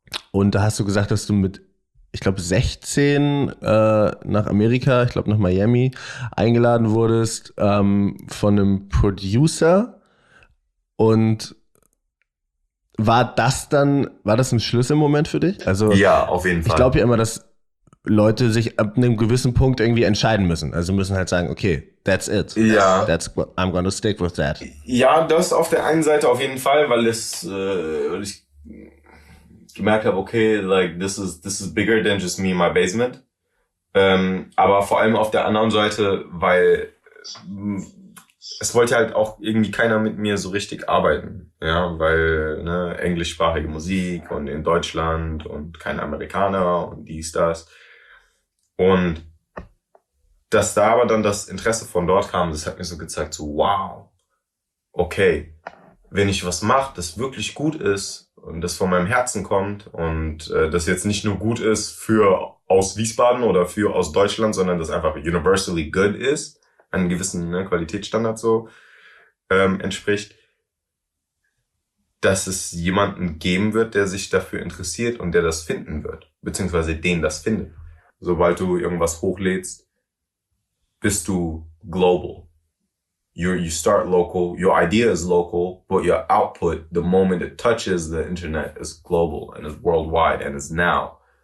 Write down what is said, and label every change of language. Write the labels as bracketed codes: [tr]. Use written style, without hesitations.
[de] Und da hast du gesagt, dass du mit, ich glaube, 16 nach Amerika, ich glaube nach Miami, eingeladen wurdest von einem Producer. Und war das ein Schlüsselmoment für dich? Also, ja, auf jeden Fall. Ich glaube ja immer, dass Leute sich ab einem gewissen Punkt irgendwie entscheiden müssen. Also müssen halt sagen, okay, that's it. Ja. [en] I'm gonna stick with that. [de] Ja, das auf der einen Seite auf jeden Fall, weil es ich gemerkt habe, okay, like this is bigger than just me in my basement. Aber vor allem auf der anderen Seite, weil es wollte halt auch irgendwie keiner mit mir so richtig arbeiten, ja, weil ne, englischsprachige Musik und in Deutschland und kein Amerikaner und dies, das. Und dass da aber dann das Interesse von dort kam, das hat mir so gezeigt, so wow, okay, wenn ich was mache, das wirklich gut ist und das von meinem Herzen kommt und das jetzt nicht nur gut ist für aus Wiesbaden oder für aus Deutschland, sondern das einfach universally good ist, einen gewissen, ne, Qualitätsstandard so entspricht, dass es jemanden geben wird, der sich dafür interessiert und der das finden wird, beziehungsweise den das findet. Sobald du irgendwas hochlädst, bist du global. [en] You start local, your idea is local, but your output, the moment it touches the internet, is global and is worldwide and is now.